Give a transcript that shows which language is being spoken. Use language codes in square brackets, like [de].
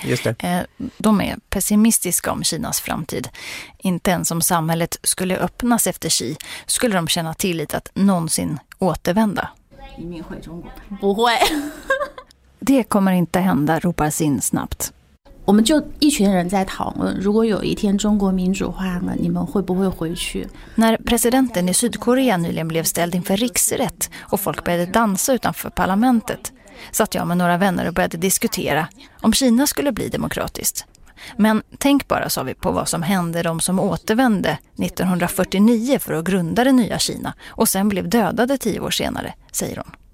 [sv] Just det. De är pessimistiska om Kinas framtid. Inte ens om samhället skulle öppnas efter Xi skulle de känna tillit att någonsin återvända. Nej. Det kommer inte hända, ropar Sin snabbt. [zh] 我们就一群人在讨论，如果有一天中国民主化了，你们会不会回去？ [sv] När presidenten i Sydkorea nyligen blev ställd inför riksrätt och folk började dansa utanför parlamentet, satt jag med några vänner och började diskutera om Kina skulle bli demokratiskt. Men tänk bara, sa vi, på vad som hände de som återvände 1949 för att grunda det nya Kina och sen blev dödade 10 år senare, säger hon.